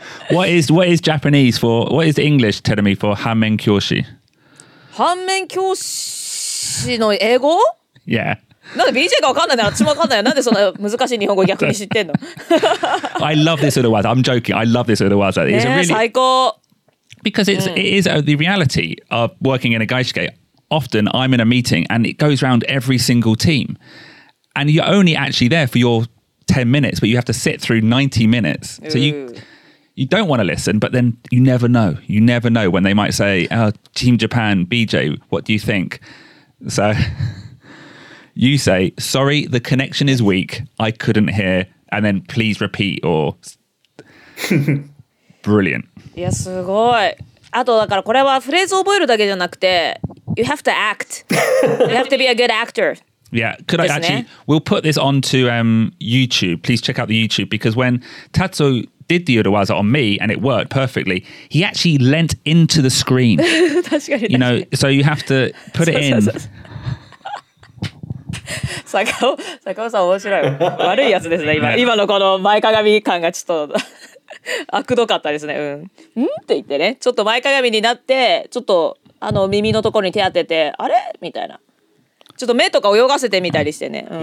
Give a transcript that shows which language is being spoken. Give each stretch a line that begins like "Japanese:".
English: What is Japanese for? What is English, tell me, for 反面教師？
Japanese: 反面教師の英語？
English: Yeah。
Japanese: なんで BJ が分かんないの？あっちも分かんないの？なんでそんな難しい日本語逆に知ってんの？
English: I love this other word. I'm joking. I love this other word. It's really
Japanese: 最高。
English: Because it is the reality of working in a gaishike. Often I'm in a meeting and it goes around every single team and you're only actually there for your 10 minutes, but you have to sit through 90 minutes. So you don't want to listen, but then you never know. You never know when they might say, Team Japan, BJ, what do you think? So you say, sorry, the connection is weak. I couldn't hear. And then please repeat or brilliant.
Japanese: Yeah, すごい。あとだからこれはフレーズを覚えるだけじゃなくて、
English: You have to act. You have to be a good actor. Yeah, could I actually... We'll put this onto YouTube. Please check out the YouTube because when Tatsuo did the Urawaza on me and it worked perfectly, he actually leant into the screen.
Japanese: 確かに。
English: You know, so you have to put it in.
Japanese: 坂尾さん面白い。悪いやつですね、今のこの前かがみ感がちょっと悪どかったですね。うん。ん？って言ってね、ちょっと前かがみになって、ちょっと耳のところに手当てて、あれ？みたいな。ちょっと目とか泳がせてみたりしてね。うん、